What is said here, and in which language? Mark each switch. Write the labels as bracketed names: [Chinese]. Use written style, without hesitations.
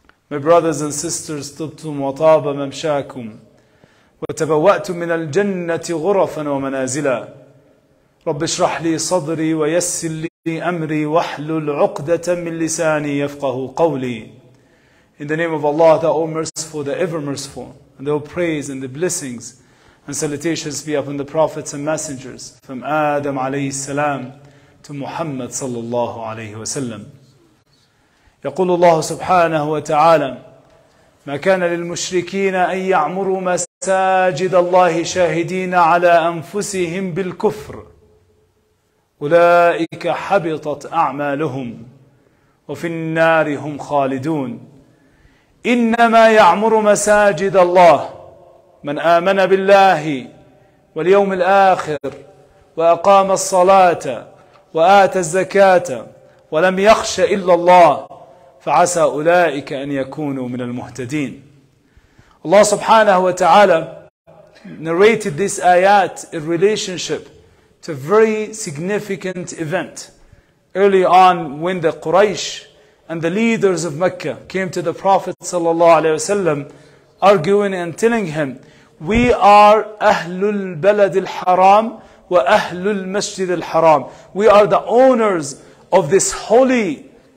[English] My brothers and sisters, [Arabic] طبتم وطاب ممشاكم وتبوأتم من الجنة غرفا ومنازلا. رب اشرح لي صدري ويسر لي أمري واحلل عقدة من لساني يفقه قولي. [English] In the name of Allah, the all merciful, the ever merciful, and the all praise and the blessings and salutations be upon the prophets and messengers from Adam عليه السلام to Muhammad صلى الله عليه وسلم. [Arabic] يقول الله سبحانه وتعالى: ما كان للمشركين أن يعمروا مساجد الله شاهدين على أنفسهم بالكفر أولئك حبطت أعمالهم وفي النار هم خالدون. إنما يعمر مساجد الله من آمن بالله واليوم الآخر وأقام الصلاة وآتى الزكاة ولم يخش إلا الله فعسى أولئك أن يكونوا من المهتدين. [English] الله سبحانه وتعالى narrated this ayat in relationship to a very significant event early on when the Quraysh and the leaders of Mecca came to the Prophet sallallahu alaihi wasallam arguing and telling him, we are [Arabic] ahlul balad al haram [English] wa ahlul masjid al haram, we are the owners of this holy